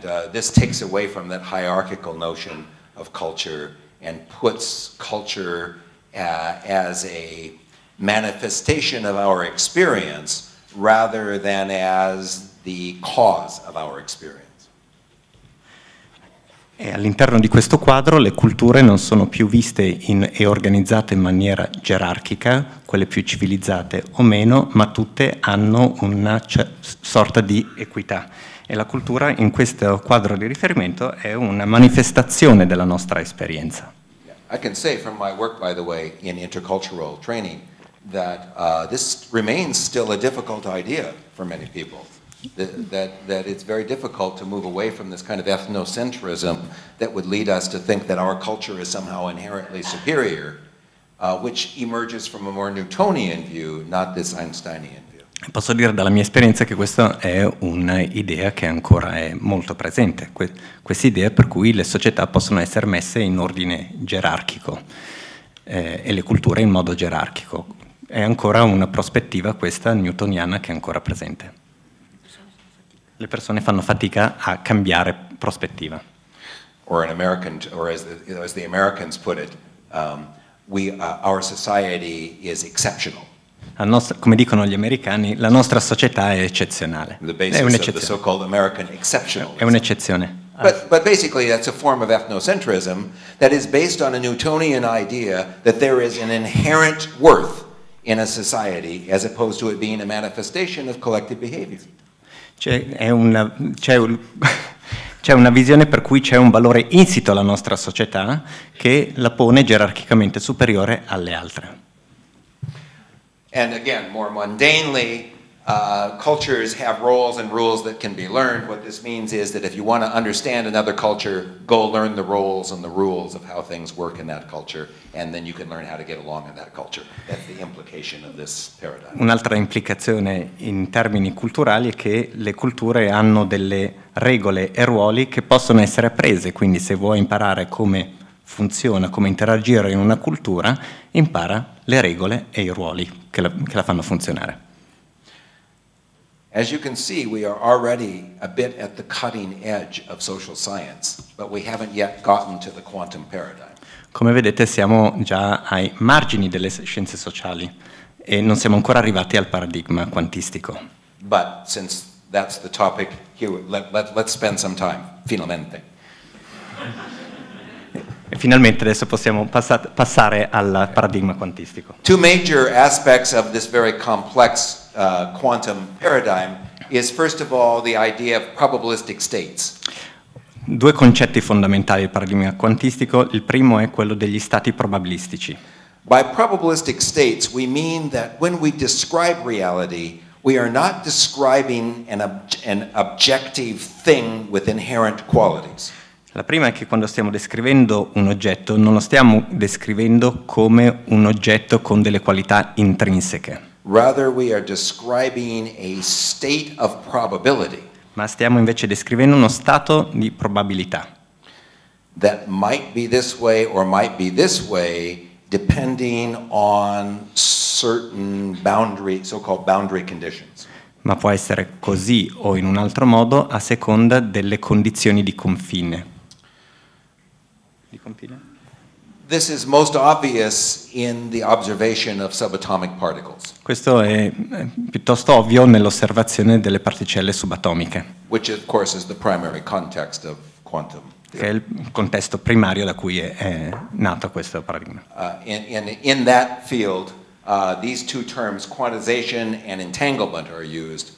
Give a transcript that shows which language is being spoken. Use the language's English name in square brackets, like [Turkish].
[English] This takes away from that hierarchical notion of culture and puts culture as a manifestation of our experience rather than as the cause of our experience. [Italian] E all'interno di questo quadro le culture non sono più viste e organizzate in maniera gerarchica, quelle più civilizzate o meno, ma tutte hanno una sorta di equità. E la cultura in questo quadro di riferimento è una manifestazione della nostra esperienza. [English] I can say from my work, by the way, in intercultural training, that this remains still a difficult idea for many people. That it's very difficult to move away from this kind of ethnocentrism that would lead us to think that our culture is somehow inherently superior, which emerges from a more Newtonian view, not this Einsteinian view. [Italian] Posso dire dalla mia esperienza che questa è un'idea che ancora è molto presente, questa idea per cui le società possono essere messe in ordine gerarchico e le culture in modo gerarchico. È ancora una prospettiva questa newtoniana che è ancora presente. Le persone fanno fatica a cambiare prospettiva. [English] Or an American, or as the, you know, as the Americans put it, our society is exceptional. [Italian] Come dicono gli americani, la nostra società è eccezionale. [English] The basis [Italian] è un'eccezione. [English] Of the so-called American exceptionalism. [Italian] È un'eccezione. [English] But basically, that's a form of ethnocentrism that is based on a Newtonian idea that there is an inherent worth in a society, as opposed to it being a manifestation of collective behavior. [Italian] C'è una visione per cui c'è un valore insito alla nostra società che la pone gerarchicamente superiore alle altre. [English] And again, more mundanely, cultures have roles and rules that can be learned. What this means is that if you want to understand another culture, go learn the roles and the rules of how things work in that culture, and then you can learn how to get along in that culture. That's the implication of this paradigm. [Italian] Un'altra implicazione in termini culturali è che le culture hanno delle regole e ruoli che possono essere apprese, quindi se vuoi imparare come funziona, come interagire in una cultura, impara le regole e i ruoli che la fanno funzionare. [English] As you can see, we are already a bit at the cutting edge of social science, but we haven't yet gotten to the quantum paradigm. [Italian] Come vedete, siamo già ai margini delle scienze sociali e non siamo ancora arrivati al paradigma quantistico. [English] But since that's the topic, here let's spend some time, finalmente. [Italian] E finalmente adesso possiamo passare al paradigma quantistico. [English] Two major aspects of this very complex quantum paradigm is first of all the idea of probabilistic states. [Italian] Due concetti fondamentali del paradigma quantistico. Il primo è quello degli stati probabilistici. [English] By probabilistic states we mean that when we describe reality we are not describing an objective thing with inherent qualities. [Italian] La prima è che quando stiamo descrivendo un oggetto non lo stiamo descrivendo come un oggetto con delle qualità intrinseche. [English] Rather we are describing a state of probability. [Italian] Ma stiamo invece descrivendo uno stato di probabilità. [English] That might be this way or might be this way depending on certain boundary, so-called boundary conditions. [Italian] Ma può essere così o in un altro modo a seconda delle condizioni di confine. [English] This is most obvious in the observation of subatomic particles. [Italian] Questo è piuttosto ovvio nell'osservazione delle particelle subatomiche. [English] Which of course is the primary context of quantum. [Italian] Che è il contesto primario da cui è nato questo paradigma. [English] In that field, these two terms, quantization and entanglement, are used.